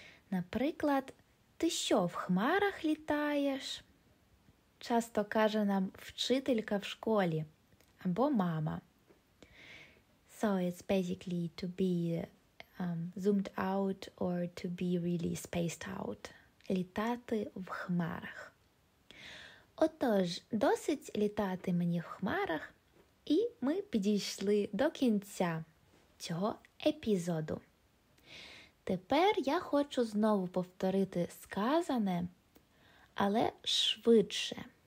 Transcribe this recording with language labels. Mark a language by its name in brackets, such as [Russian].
[Ukrainian] Наприклад, ти що в хмарах літаєш? Часто каже нам вчителька в школі або мама. [English] So it's basically to be zoomed out or to be really spaced out. [Ukrainian] Літати в хмарах. Отож, досить літати мені в хмарах, і ми підійшли до кінця цього епізоду. Тепер я хочу знову повторити сказане, але швидше.